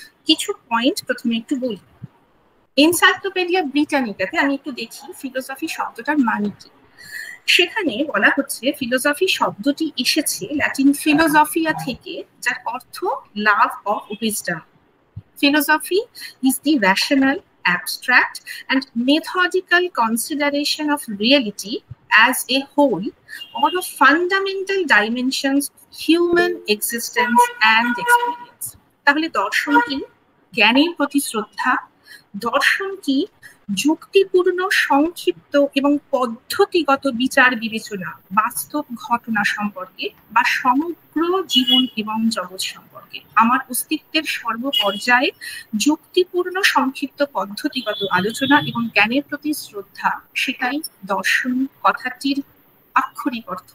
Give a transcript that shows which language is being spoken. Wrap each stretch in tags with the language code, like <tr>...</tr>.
<bn>কিছু পয়েন্ট প্রথমে একটু বলি। এনসাইক্লোপিডিয়া ব্রিটানিকাতে আমি একটু দেখি ফিলোসফি শব্দটার মানে কি। সেখানে বলা হচ্ছে ফিলোসফি শব্দটি এসেছে ল্যাটিন ফিলোসফিয়া থেকে, যার অর্থ love of wisdom.</bn> <en>Philosophy is the rational, abstract, and methodical consideration of reality as a whole or of fundamental dimensions of human existence and experience.</en> <bn>তাহলে দর্শন কি? জ্ঞানের প্রতি শ্রদ্ধা। দর্শন কি? যুক্তিপূর্ণ, সংক্ষিপ্ত এবং পদ্ধতিগত বিচার বিবেচনা বাস্তব ঘটনা সম্পর্কে বা সমগ্র জীবন এবং জগৎ সম্পর্কে, আমার অস্তিত্বের সর্বপর্যায়ে যুক্তিপূর্ণ, সংক্ষিপ্ত, পদ্ধতিগত আলোচনা এবং জ্ঞানের প্রতি শ্রদ্ধা, সেটাই দর্শন কথাটির আক্ষরিক অর্থ।</bn>